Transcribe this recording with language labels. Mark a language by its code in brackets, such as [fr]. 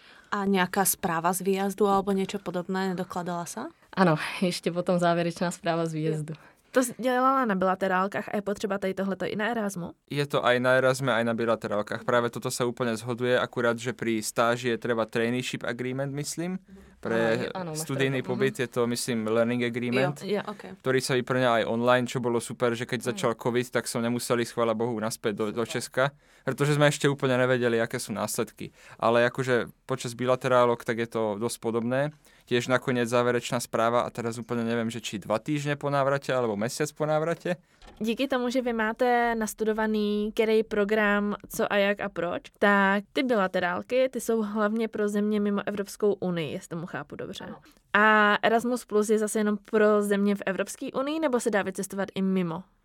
[cs] A nějaká zpráva z výjazdu alebo něco podobné nedokladala se? Ano, ještě potom závěrečná zpráva z výjezdu. To dělala na bilaterálkách a je potřeba tady tohleto i na Erasmu? [sk] Je to aj na Erasme, aj na bilaterálkách. [cs] Právě toto se úplně zhoduje, akurát, že pri stáži je třeba traineeship agreement, myslím. [sk] Pre studijný pobyt je to, myslím, learning agreement, ktorý sa vyplňa aj online, čo bolo super, že keď začal COVID, tak som nemuseli, chvála Bohu, naspäť do Česka, pretože sme ešte úplne nevedeli, aké sú následky. Ale akože počas bilaterálok, tak je to dosť podobné. Tiež nakoniec záverečná správa a teraz úplne neviem, že či 2 týždne po návrate alebo mesiac po návrate. [cs] Díky tomu, že vy máte nastudovaný který program, co a jak a proč, tak ty bilaterálky, ty jsou hlavně pro země mimo Evropskou unii, jestli tomu chápu dobře. A Erasmus Plus je zase jenom pro země v Evropské unii, nebo se dá vycestovat i mimo?